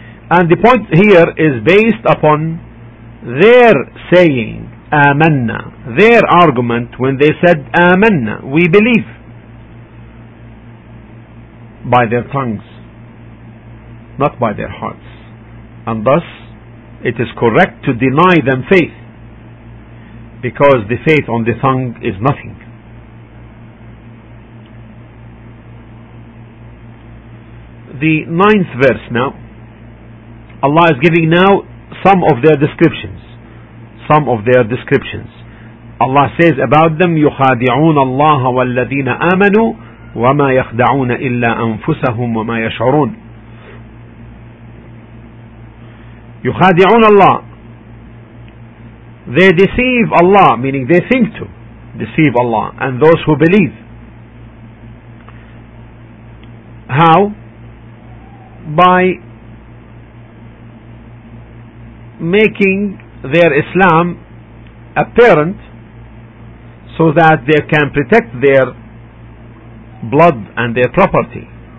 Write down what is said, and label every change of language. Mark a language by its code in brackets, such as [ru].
[en] And the point here is based upon their saying amanna, their argument when they said amanna, we believe, by their tongues, not by their hearts, and thus it is correct to deny them faith, because the faith on the tongue is nothing. The ninth verse now, Allah is giving now some of their descriptions. Some of their descriptions. Allah says about them, [ar] يُخَادِعُونَ اللَّهَ وَالَّذِينَ آمَنُوا وَمَا يَخْدَعُونَ إِلَّا أَنفُسَهُمْ وَمَا يَشْعُرُونَ. يُخَادِعُونَ اللَّهَ, [en] they deceive Allah, meaning they think to deceive Allah and those who believe. How? By making their Islam apparent so that they can protect their blood and their property.